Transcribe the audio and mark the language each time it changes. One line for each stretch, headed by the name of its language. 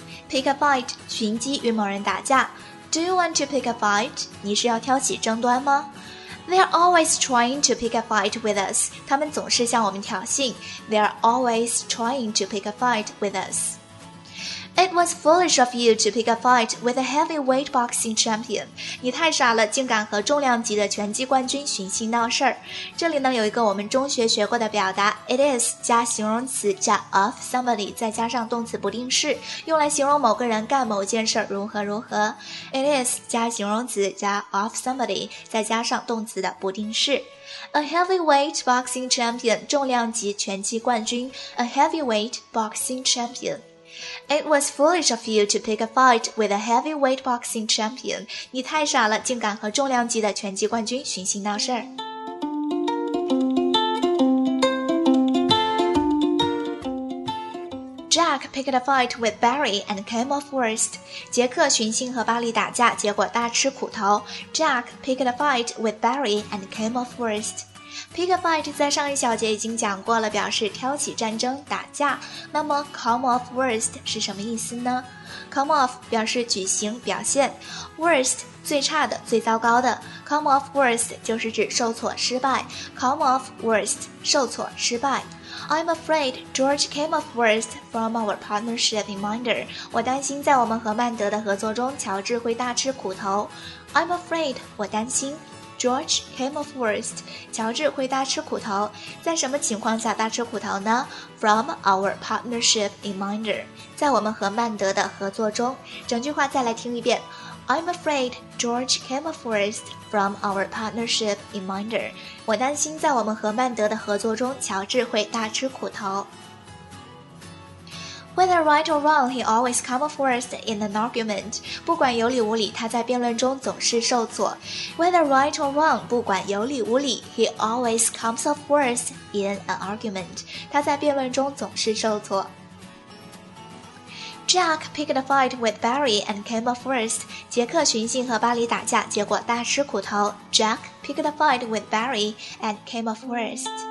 English: Pick a fight
Chinese: 寻机与某人打架
English: Do you want to pick a fight
Chinese: 你是要挑起争端吗
English: They are always trying to pick a fight with us
Chinese: 他们总是向我们挑衅
English: They are always trying to pick a fight with usIt was foolish of you to pick a fight with a heavyweight boxing champion.
Chinese: 你太傻了，竟敢和重量级的拳击冠军寻衅闹事儿。这里呢有一个我们中学学过的表达 ,it is 加形容词加 of somebody 再加上动词不定式，用来形容某个人干某件事如何如何。 It is 加形容词加 of somebody 再加上动词的不定式。
English: A heavyweight boxing champion,
Chinese: 重量级拳击冠军
English: ,a heavyweight boxing champion. It was foolish of you to pick a fight with a heavyweight boxing champion.
Chinese: 你太傻了，竟敢和重量级的拳击冠军寻衅闹事儿。
English: Jack picked a fight with Barry and came off worst.
Chinese: 杰克寻衅和巴利打架，结果大吃苦头。
English: Jack picked a fight with Barry and came off worst.
Chinese: Pick a fight 在上一小节已经讲过了，表示挑起战争、打架。那么 come off worst 是什么意思呢？come off 表示举行、表现， worst 最差的、最糟糕的。 come off worst 就是指受挫、失败。come off worst 受挫、失败。
English: I'm afraid George came off worst from our partnership in Minder.
Chinese: 我担心在我们和曼德的合作中，乔治会大吃苦头。
English: I'm afraid
Chinese: 我担心
English: George came off worst.
Chinese: 乔治会大吃苦头。在什么情况下大吃苦头呢？
English: From our partnership in Minder.
Chinese: 在我们和曼德的合作中。整句话再来听一遍。
English: I'm afraid George came off worst from our partnership in Minder.
Chinese: 我担心在我们和曼德的合作中，乔治会大吃苦头。
English: Whether right or wrong, he always comes off worst in an argument.
Chinese: 不管有理无理，他在辩论中总是受挫。
English: Whether right or wrong,
Chinese: 不管有理无理，
English: he always comes off worst in an argument.
Chinese: 他在辩论中总是受挫。
English: Jack picked a fight with Barry and came off worst.
Chinese: 杰克寻衅和巴里打架，结果大吃苦头。
English: Jack picked a fight with Barry and came off worst.